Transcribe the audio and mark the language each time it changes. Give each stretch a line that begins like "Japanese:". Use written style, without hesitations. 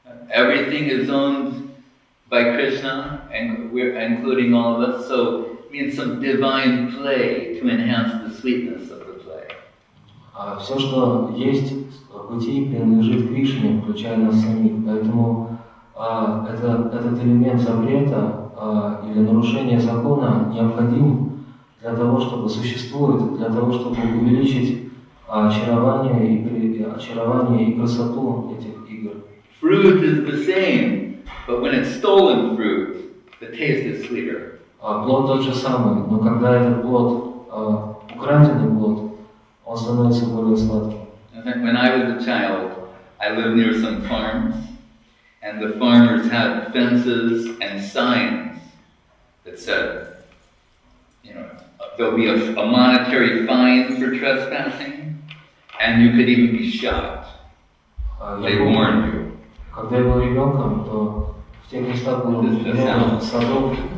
English: Everything is owned by Krishna, and we're including all of us, so it means some divine play to enhance the sweetness of the play.
Russian: Все, что есть в бытии, принадлежит Кришне, включая нас самих. Поэтому этот элемент запрета или нарушения закона необходим для того, чтобы существует, для того, чтобы увеличить очарование и красоту этих игр.
English: Fruit is the same, but when it's stolen fruit, the taste is sweeter.
Russian: Плод тот же самый, но когда этот плод украденный плод, он становится более сладким.
English: I think when I was a child, I lived near some farms, and the farmers had fences and signs that said, there'll be a monetary fine for trespassing, and you could even be shot. They warned you.
Russian: Когда я был ребенком, то в тех местах было много садов.